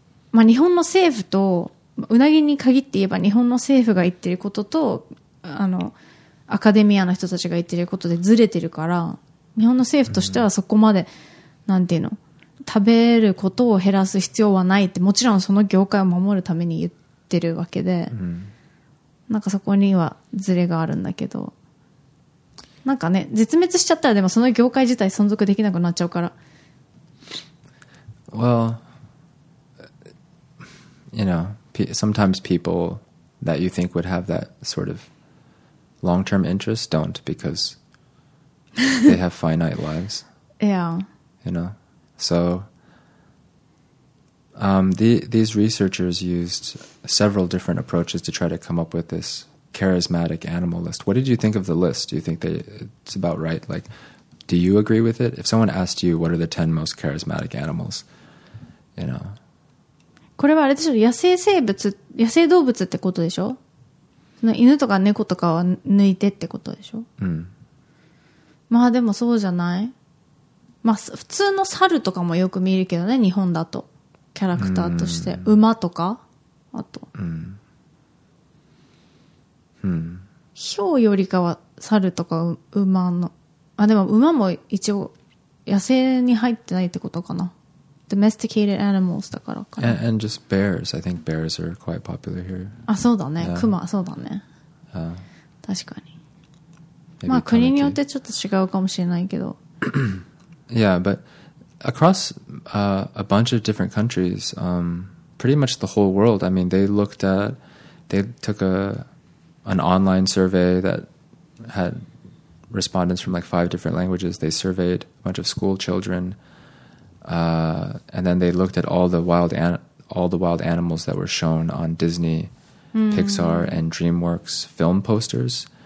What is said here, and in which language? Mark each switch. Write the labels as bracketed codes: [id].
[ja] う、まあ、日本の政府とうなぎに限って言えば日本の政府が言ってることとあのアカデミアの人たちが言ってることでずれてるから、日本の政府としてはそこまで、なんていうの、食べることを減らす必要はないって、もちろんその業界を守るために言ってるわけで、なんかそこにはずれがあるんだけど、なんかね、絶滅しちゃったらでもその業界自体存続できなくなっちゃうから。 [en] Well, you knowSometimes people that you think would have that sort of long-term interest don't because they have finite lives. Yeah. You know? So, these researchers used several different approaches to try to come up with this charismatic animal list. What did you think of the list? Do you think that it's about right? Like, do you agree with it? If someone asked you, what are the 10 most charismatic animals, you know... [ja] これはあれでしょ、野生生物、野生動物ってことでしょ、犬とか猫とかは抜いてってことでしょ、うん、まあでもそうじゃない、まあ普通の猿とかもよく見るけどね、日本だとキャラクターとして、うん、馬とかあと、うん、うん、ヒョウよりかは猿とか馬の、あでも馬も一応野生に入ってないってことかな、 [en] Domesticated animals [ja] だからかな。 [en] And just bears. I think bears are quite popular here. [ja] あ、そうだね。クマ、そうだね。確かに。まあ、国によってちょっと違うかもしれないけど。 [en] Yeah, but across a bunch of different countries, pretty much the whole world, I mean, they took an online survey that had respondents from like 5 different languages. They surveyed a bunch of school children. And then they looked at all the wild animals that were shown on Disney, Pixar, and DreamWorks film posters.